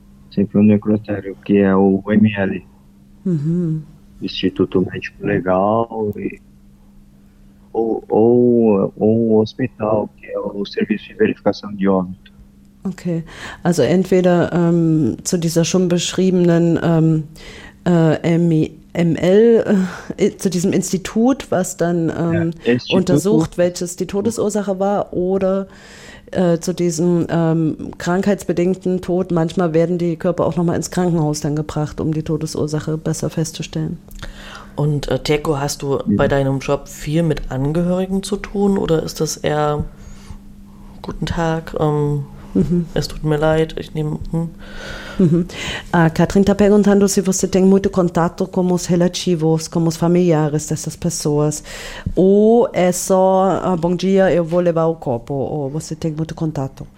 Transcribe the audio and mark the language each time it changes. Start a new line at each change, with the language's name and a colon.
Portuguese: Sempre o necrotério, que é o ML, Instituto Médico Legal, ou o hospital, que é o Serviço de Verificação de Óbito.
German: Okay, also entweder zu dieser schon beschriebenen zu diesem Institut, was dann Ja, Instituto. untersucht, welches die Todesursache war, oder zu diesem krankheitsbedingten Tod. Manchmal werden die Körper auch nochmal ins Krankenhaus dann gebracht, um die Todesursache besser festzustellen. Und Teko, hast du bei deinem Job viel mit Angehörigen zu tun oder ist das eher guten Tag? Es tut mir leid, ich nehme.
Portuguese: Katrin está perguntando se você tem muito contato com os relativos, com os familiares dessas pessoas. Ou é só, bom dia, eu vou levar o copo, ou você tem muito contato?